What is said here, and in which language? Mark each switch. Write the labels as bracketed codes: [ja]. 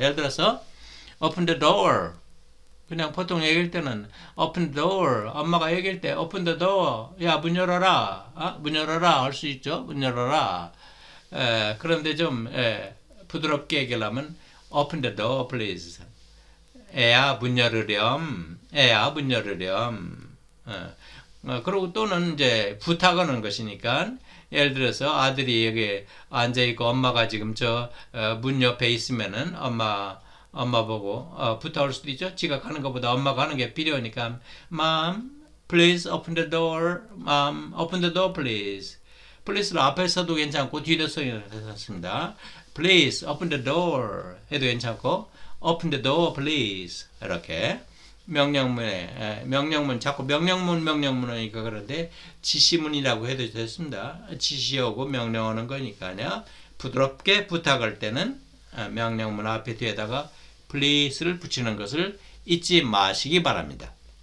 [ko] 예를 들어서 [en] open the door. [ko] 그냥 보통 얘기할 때는 [en] open the door. [ko] 엄마가 얘기할 때 open the door. 야, 문 열어라. 문 열어라. 할 수 있죠. 문 열어라. 그런데 좀 부드럽게 얘기하려면 [en] open the door, please. [ko] 애야, 문 열으렴. 애야, 문 열으렴. 그리고 또는 이제 부탁하는 것이니까, 예를 들어서 아들이 여기 앉아 있고 엄마가 지금 저문 옆에 있으면은 엄마 보고 부탁할 수도 있죠. 지가 가는 것보다 엄마가 하는 게 필요하니까, [en] Mom, please open the door. Mom, open the door, please. [ko] Please를 앞에서도 괜찮고 뒤에서도 괜찮습니다. [en] Please open the door [ko] 해도 괜찮고, [en] open the door, please 이렇게. [ko] 명령문, 자꾸 명령문이니까 그런데 지시문이라고 해도 됐습니다. 지시하고 명령하는 거니까요. 부드럽게 부탁할 때는 명령문 앞에 뒤에다가 please를 붙이는 것을 잊지 마시기 바랍니다.